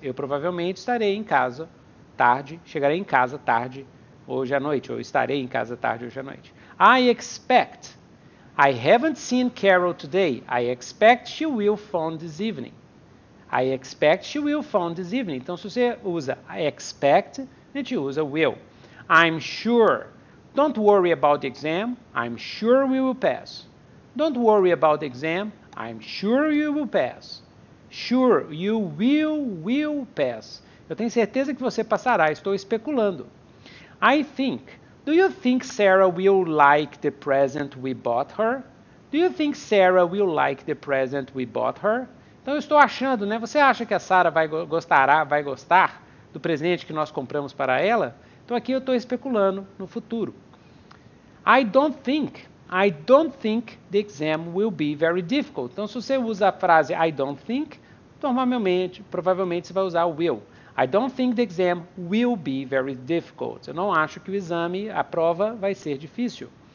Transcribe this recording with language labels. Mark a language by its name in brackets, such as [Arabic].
[Portuguese] Eu provavelmente estarei em casa tarde, chegarei em casa tarde hoje à noite, ou estarei em casa tarde hoje à noite. [English] I expect. I haven't seen Carol today. I expect she will phone this evening. I expect she will phone this evening. [Portuguese] Então, se você usa [English] I expect, [Portuguese] a gente usa will. [English] I'm sure. Don't worry about the exam, I'm sure we will pass. Don't worry about the exam, I'm sure you will pass. Sure, you will pass. [Portuguese] Eu tenho certeza que você passará, estou especulando. [English] I think, Do you think Sarah will like the present we bought her? Do you think Sarah will like the present we bought her? [Portuguese] Então, eu estou achando, né? Você acha que a Sarah vai gostar do presente que nós compramos para ela? Então, aqui eu estou especulando no futuro. [English] I don't think the exam will be very difficult. [Portuguese] Então, se você usa a frase [English] I don't think, [Portuguese] provavelmente você vai usar o will. [English] I don't think the exam will be very difficult. [Portuguese] Eu não acho que o exame, a prova, vai ser difícil.